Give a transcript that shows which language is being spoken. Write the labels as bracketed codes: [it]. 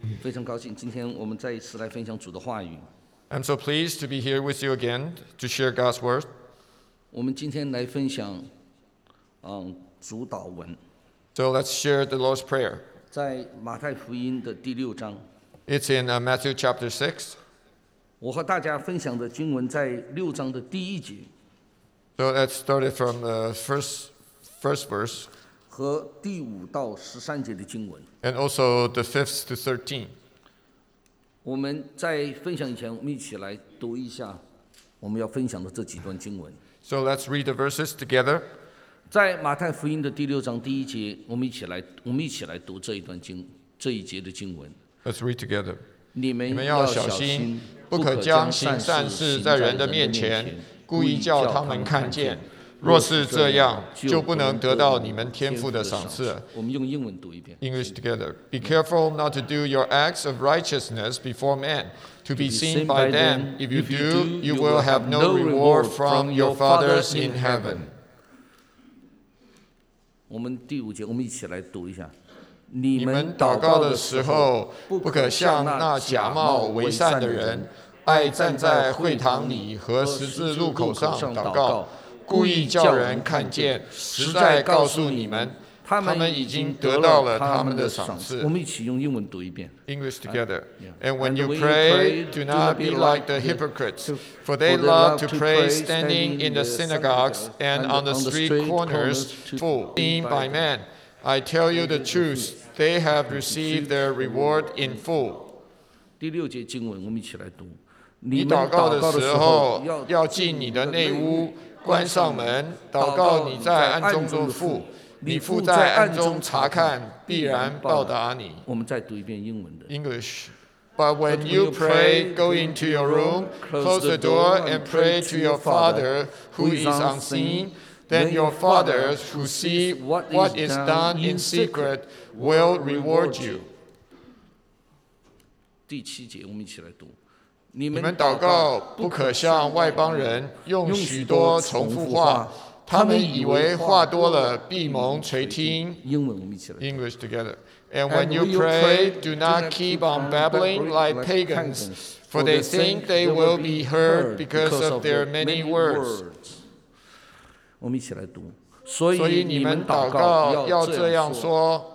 [zh] 非常高兴今天我们再一次来分享主的话语。 [en] I'm so pleased to be here with you again to share God's word. [zh] 我们今天来分享主祷文。 [en] So let's share the Lord's prayer. [zh] 在马太福音的第六章。 [en] It's in Matthew chapter 6. [zh] 我和大家分享的经文在六章的第一节。 [en] So let's start it from the first verse. [zh] 和第五到十三节的经文 [en] and also the 5th to 13. [zh] 我们在分享以前，我们一起来读一下我们要分享的这几段经文。 [en] So let's read the verses together. [zh] 在马太福音的第六章第一节，我们一起来读这一段经这一节的经文。 [en] Let's read together. [zh] 你们要小心，不可将行善事在人的面前，故意叫他们看见。若是这样，就不能得到你们天父的赏赐。我们用英文读一遍。 [en] English together. Be careful not to do your acts of righteousness before men, to be seen by them. If you do, you will have no reward from your fathers in heaven. [zh] 我们第五节，我们一起来读一下。你们祷告的时候，不可像那假冒为善的人，爱站在会堂里和十字路口上祷告。故意叫人看见，实在告诉你们，他们已经得到了他们的赏赐。我们一起用英文读一遍。 [en] English together. And when you pray, do not be like the hypocrites, for they love to pray standing in the synagogues and on the street corners, to be seen by men. I tell you the truth, they have received their reward in full. [zh] 第六节经文，我们一起来读。你祷告的时候，要进你的内屋。关上门，祷告你在暗中做父，你父在暗中查看，必然报答你。我们再读一遍英文的。 [en] English. But when you pray, go into your room, close the door, and pray to your Father who is unseen. Then your Father who sees what is done in secret will reward you. [zh] 第七节，我们一起来读。你们祷告不可像外邦人用许多重复话，他们以为话多了必蒙垂听。英文我们一起来。 [en] English together. And when you pray, do not keep on babbling like pagans, for they think they will be heard because of their many words. [zh] 我们一起来读。所以你们祷告要这样说：